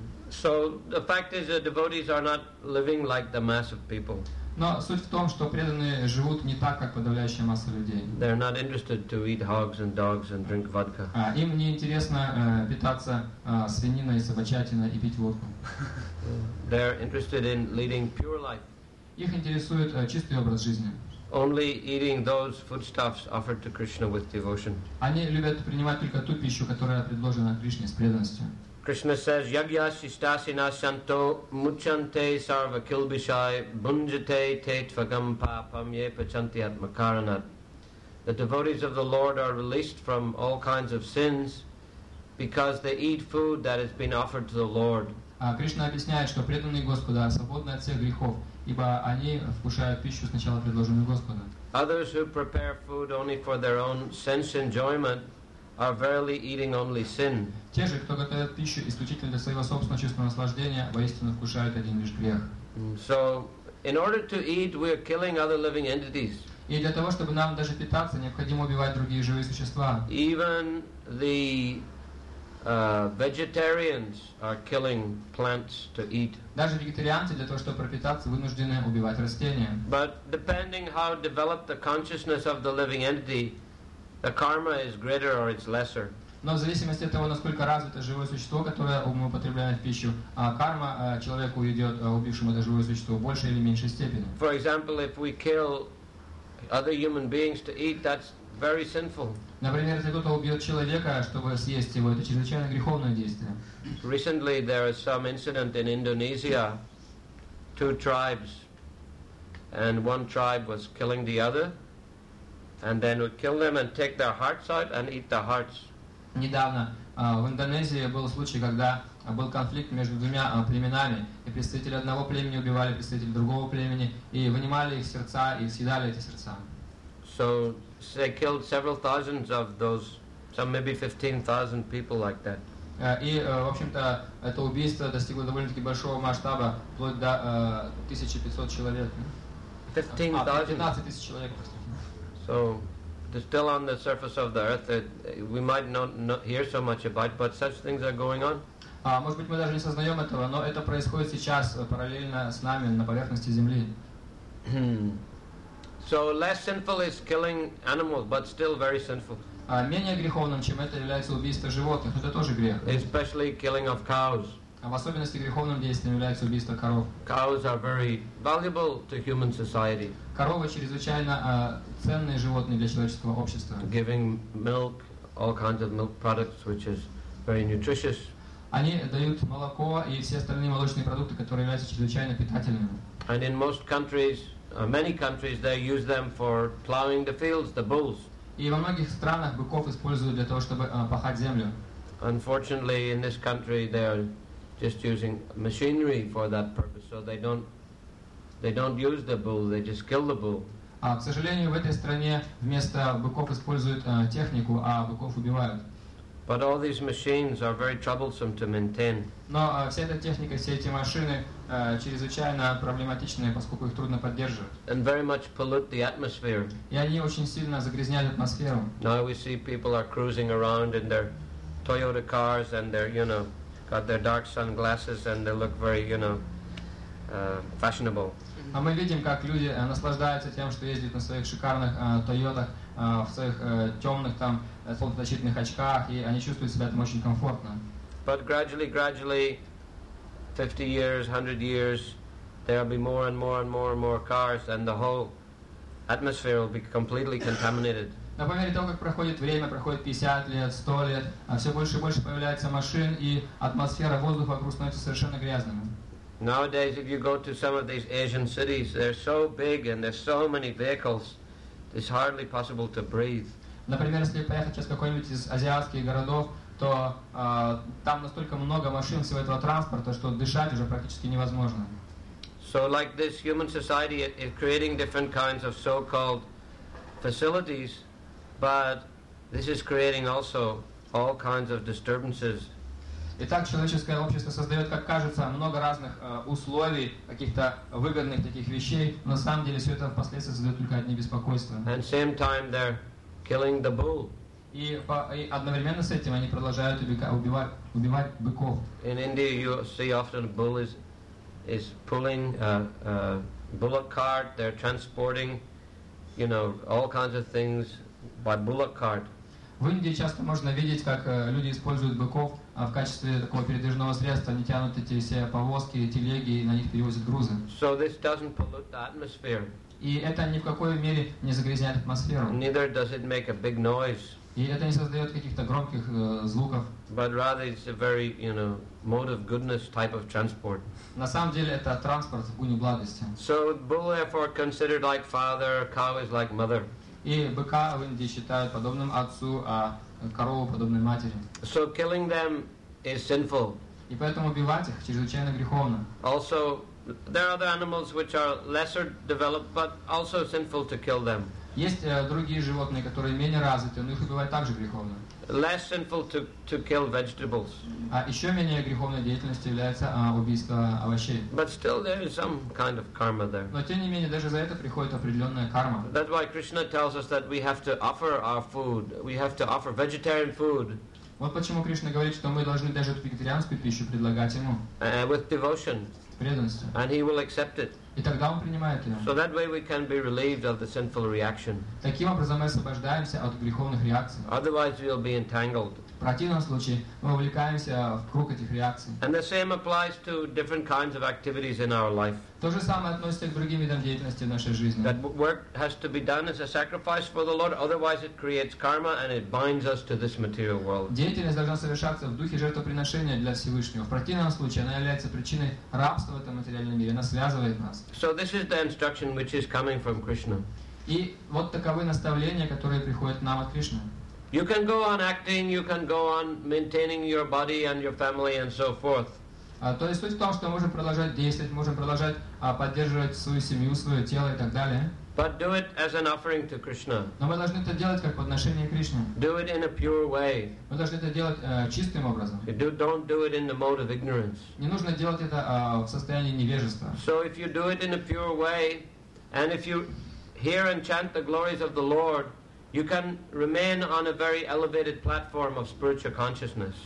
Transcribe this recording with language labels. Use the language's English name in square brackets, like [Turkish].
[English] So the fact is that devotees are not living like the mass of people. [Russian] Но суть в том, что преданные живут не так, как подавляющая масса людей. [English] They're not interested to eat hogs and dogs and drink vodka. [Russian] Им не интересно питаться свининой, собачатиной и пить водку. [English] They're interested in leading pure life. [Russian] Их интересует чистый образ жизни. [English] Only eating those foodstuffs offered to Krishna with devotion. [Russian] Они любят принимать только ту пищу, которая предложена Кришне с преданностью. [Sanskrit] Krishna says, Yagyasistasina Shanto Muchante Sarva Kilbishai Bunjate Tetvagam Papam Yepachantiat Makaranat. [English] The devotees of the Lord are released from all kinds of sins because they eat food that has been offered to the Lord. [Russian] Krishna объясняет, что преданные Господа свободны от всех грехов, ибо они вкушают пищу сначала предложенную Господа. [English] Others who prepare food only for their own sense enjoyment are verily eating only sin. [Russian] Те же, кто готовят пищу исключительно для своего собственного чувственного наслаждения, воистину вкушают один лишь грех. [English] So, in order to eat, we are killing other living entities. [Russian] И для того, чтобы нам даже питаться, необходимо убивать другие живые существа. [English] Even the vegetarians are killing plants to eat. [Russian] Даже вегетарианцы для того, чтобы пропитаться, вынуждены убивать растения. [English] But depending how developed the consciousness of the living entity, the karma is greater or it's lesser. [Russian] Но в зависимости от того, насколько развито живое существо, которое мы употребляем в пищу, карма человеку идет, убившему это живое существо, в большей или меньшей степени. [English] For example, if we kill other human beings to eat, that's very sinful. [Russian] Например, если кто-то убьет человека, чтобы съесть его, это чрезвычайно греховное действие. [English] Recently, there was some incident in Indonesia. Two tribes, and one tribe was killing the other. And then would kill them and take their hearts out and eat the hearts. [Russian] Недавно в Индонезии был случай, когда был конфликт между двумя племенами, и представители одного племени убивали представителей другого племени и вынимали их сердца и съедали эти сердца. [English] So they killed several thousands of those, some maybe 15,000 people like that. [Russian] И в общем-то это убийство достигло довольно-таки большого масштаба, вплоть до 1500 человек. 15,000 человек. [English] So, they're still on the surface of the earth that we might not hear so much about, but such things are going on. [Russian] Может быть, мы даже не сознаем этого, но это происходит сейчас параллельно с нами на поверхности Земли. [English] So, less sinful is killing animals, but still very sinful. [Russian] Менее греховным, чем это, является убийство животных, но это тоже грех. [English] Especially killing of cows. [Russian] В особенности греховным действием является убийство коров. [English] Cows are very valuable to human society. [Russian] Коровы чрезвычайно ценные животные для человеческого общества. [English] Giving milk, all kinds of milk products, which is very nutritious. [Russian] Они дают молоко и все остальные молочные продукты, которые являются чрезвычайно питательными. [English] And in most countries, many countries, they use them for plowing the fields, the bulls. [Russian] И во многих странах быков используют для того, чтобы пахать землю. [English] Unfortunately, in this country, they are just using machinery for that purpose, so they don't use the bull, they just kill the bull. [Russian] К сожалению, в этой стране вместо быков используют технику, а быков убивают. [English] But all these machines are very troublesome to maintain. [Russian] Но вся эта техника, все эти машины чрезвычайно проблематичны, поскольку их трудно поддерживать. [English] And very much pollute the atmosphere. [Russian] И они очень сильно загрязняют атмосферу. [English] Now we see people are cruising around in their Toyota cars and their, you know, got their dark sunglasses and they look very, you know, fashionable. [Russian] А мы видим, как люди наслаждаются тем, что ездят на своих шикарных Toyota'х, в своих темных там солнцезащитных очках, и они чувствуют себя там очень комфортно. [English] But gradually, 50 years, 100 years, there will be more and more and more and more cars, and the whole atmosphere will be completely contaminated. [Russian] Но по мере того, как проходит время, проходит 50 лет, 100 лет, все больше и больше появляется машин, и атмосфера воздуха вокруг становится совершенно грязным. [English] Nowadays, if you go to some of these Asian cities, they're so big and there's so many vehicles, it's hardly possible to breathe. [Russian] Например, если поехать сейчас в какой-нибудь из азиатских городов, то там настолько много машин всего этого транспорта, что дышать уже практически невозможно. [English] So like this human society is creating different kinds of so-called facilities, but this is creating also all kinds of disturbances. [Russian] Итак, человеческое общество создает, как кажется, много разных условий, каких-то выгодных таких вещей, но на самом деле все это впоследствии создает только одни беспокойства. [English] And same time they're killing the bull. [Russian] И одновременно с этим они продолжают убивать быков. [English] In India you see often a bull is pulling a bullock cart, they're transporting, you know, all kinds of things by bullock cart. [Russian] В Индии часто можно видеть, как люди используют быков в качестве такого передвижного средства. Они тянут эти все повозки, телеги, и на них перевозят грузы. [English] So this doesn't pollute the atmosphere. [Russian] И это ни в какой мере не загрязняет атмосферу. [English] Neither does it make a big noise. [Russian] И это не создает каких-то громких звуков. [English] But rather it's a very, you know, mode of goodness type of transport. [Russian] На самом деле это транспорт в гуне благости. [English] So bull therefore considered like father, cow is like mother. [Russian] И быка в Индии считают подобным отцу, а корову подобной матери. [English] So killing them is sinful. [Russian] И поэтому убивать их чрезвычайно греховно. [English] Also, there are other animals which are lesser developed, but also sinful to kill them. [Russian] Есть другие животные, которые менее развиты, но их убивать также греховно. [English] Less sinful to kill vegetables. [Russian] А еще менее греховной деятельностью является убийство овощей. [English] But still there is some kind of karma there. [Russian] Но тем не менее даже за это приходит определенная карма. [English] That's why Krishna tells us that we have to offer our food. We have to offer vegetarian food. [Russian] Вот почему Кришна говорит, что мы должны даже эту вегетарианскую пищу предлагать ему. [English] With devotion. And he will accept it. [Russian] И тогда он принимает его. [English] So that way we can be relieved of the sinful reaction. [Russian] Таким образом мы освобождаемся от греховных реакций. [English] Otherwise we'll be entangled. [Russian] В противном случае мы увлекаемся в круг этих реакций. [English] And the same applies to different kinds of activities in our life. [Russian] То же самое относится к другим видам деятельности в нашей жизни. [English] That work has to be done as a sacrifice for the Lord, otherwise it creates karma and it binds us to this material world. [Russian] Деятельность должна совершаться в духе жертвоприношения для Всевышнего. В противном случае она является причиной рабства в этом материальном мире. Она связывает нас. [English] So this is the instruction which is coming from Krishna. [Russian] И вот таковы наставления, которые приходят нам от Кришны. [English] You can go on acting, you can go on maintaining your body and your family and so forth. [Russian] То есть суть в том, что мы можем продолжать действовать, можем продолжать поддерживать свою семью, свое тело и так далее. [English] But do it as an offering to Krishna. [Russian] Но мы должны это делать как подношение Кришне. [English] Do it in a pure way. [Russian] Мы должны это делать чистым образом. [English] Don't do it in the mode of ignorance. [Russian] Не нужно делать это в состоянии невежества. [English] So if you do it in a pure way, and if you hear and chant the glories of the Lord, you can remain on a very elevated platform of spiritual consciousness.